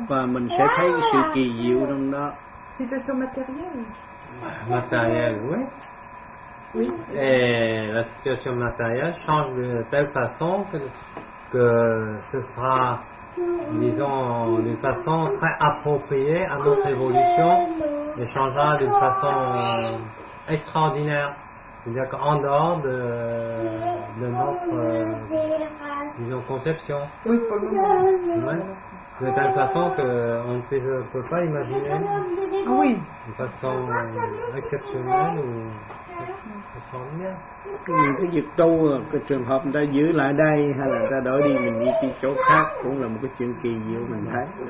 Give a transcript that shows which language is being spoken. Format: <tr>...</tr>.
<vi>Mình sẽ thấy cái sự kỳ diệu trong đó.</vi> <fr>Situation matérielle. Matériel, oui. Oui. Et la situation matérielle change de telle façon que ce sera, disons, d'une façon très appropriée à notre évolution et changera d'une façon extraordinaire. C'est-à-dire qu'en dehors de notre, disons, conception. Oui, pour le moment. Ouais. De telle façon qu'on ne peut pas imaginer. Oui. De façon exceptionnelle ou extraordinaire. Mais</fr> <vi>cái việc tu, cái trường hợp người ta giữ lại đây hay là người ta đổi đi mình đi đi chỗ khác cũng là một cái chuyện kỳ diệu mình thấy.</vi>